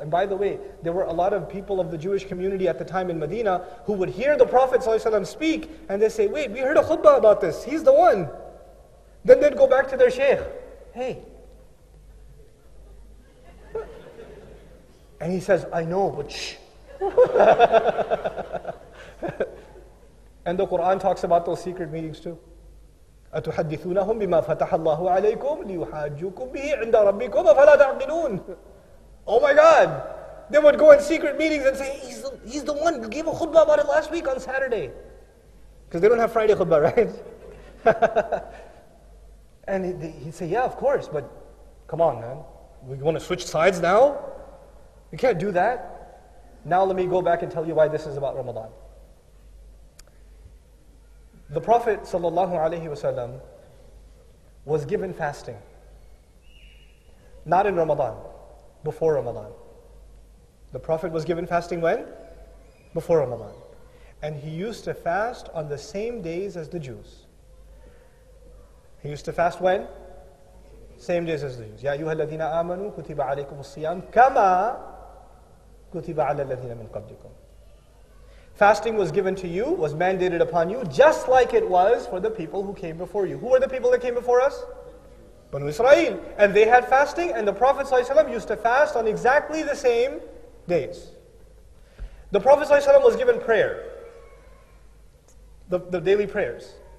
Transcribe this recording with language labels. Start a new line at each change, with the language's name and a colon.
English: And by the way, there were a lot of people of the Jewish community at the time in Medina who would hear the Prophet ﷺ speak, and they'd say, wait, we heard a khutbah about this. He's the one. Then they'd go back to their sheikh. Hey. And he says, I know, but shh. And the Quran talks about those secret meetings too.
Arabic: أَتُحَدِّثُونَهُمْ بِمَا فَتَحَ اللَّهُ عَلَيْكُمْ لِيُحَاجُّكُمْ بِهِ عِنْدَ رَبِّكُمْ أَفَلَا تَعْقِلُونَ.
English: Oh my God! They would go in secret meetings and say, he's the one who gave a khutbah about it last week on Saturday. Because they don't have Friday khutbah, right? And he'd say, yeah, of course, but come on, man. We want to switch sides now? You can't do that. Now let me go back and tell you why this is about Ramadan. The Prophet sallallahu alaihi wasallam was given fasting. Not in Ramadan, before Ramadan. The Prophet was given fasting when? Before Ramadan. And he used to fast on the same days as the Jews. He used to fast when? Same days as the Jews.
Arabic: يَا أَيُّهَا الَّذِينَ آمَنُوا كُتِبَ عَلَيْكُمُ الصِّيَامُ كَمَا كُتِبَ عَلَى الَّذِينَ مِنْ قَبْلِكُمْ.
English: Fasting was given to you, was mandated upon you, just like it was for the people who came before you. Who were the people that came before us? Banu Israel. And they had fasting, and the Prophet ﷺ used to fast on exactly the same days. The Prophet ﷺ was given prayer, the daily prayers.